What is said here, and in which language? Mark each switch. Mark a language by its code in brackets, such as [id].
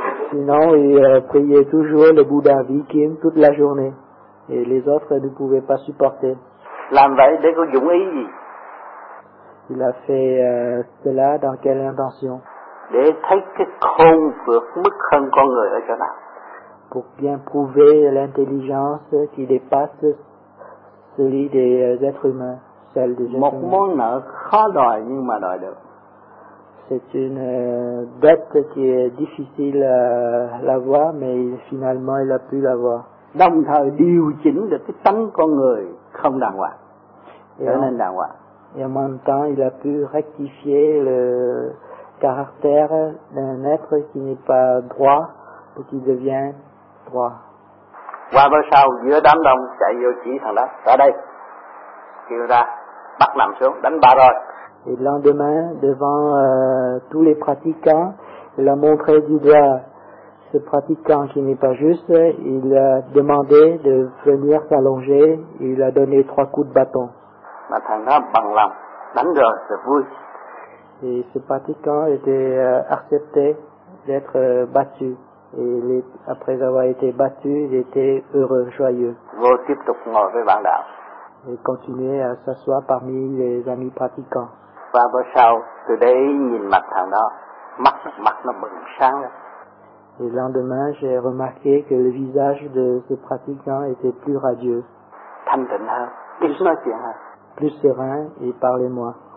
[fr] Sinon, il priait toujours le Bouddha Viking toute la journée et les autres ne pouvaient pas supporter. Il a fait cela dans quelle intention? [vi] Để thấy cái khôn vượt mức hơn con người ở chỗ nào. [fr] Pour bien prouver l'intelligence qui dépasse celui des êtres humains, celle des êtres humains. [vi] Một món nợ khó đòi nhưng mà đòi được. [fr] C'est une dette qui est difficile à l'avoir, mais finalement il a pu l'avoir. [vi] Đồng thời điều chỉnh được cái tâm con người không đàng hoàng, trở nên đàng hoàng. [fr] Et en même temps, il a pu rectifier le caractère d'un être qui n'est pas droit pour qu'il devienne droit. [vi] Qua bữa sau, giữa đám đông chạy vô chỉ thằng đó, ra đây, kêu ra, bắt nằm xuống, đánh ba rồi. [fr] Et le lendemain, devant tous les pratiquants, il a montré du doigt ce pratiquant qui n'est pas juste, il a demandé de venir s'allonger, il a donné 3 coups de bâton. [vi] Mà thằng đó bằng lòng, đánh rồi, [fr] c'est [vi] vui. [fr] Et ce pratiquant était accepté d'être battu. Et après avoir été battu, il était heureux, joyeux. Vous [vi] tiếp tục ngồi với bạn đạo. [fr] Et continuer à s'asseoir parmi les amis pratiquants. [vi] Và bữa sau, từ đấy nhìn mặt thằng đó, mắt nó bừng sáng. [fr] Et le lendemain, j'ai remarqué que le visage de ce pratiquant était plus radieux. [vi] Thanh tịnh hơn, ít nói chuyện hơn. [fr] Plus serein et parlez moins.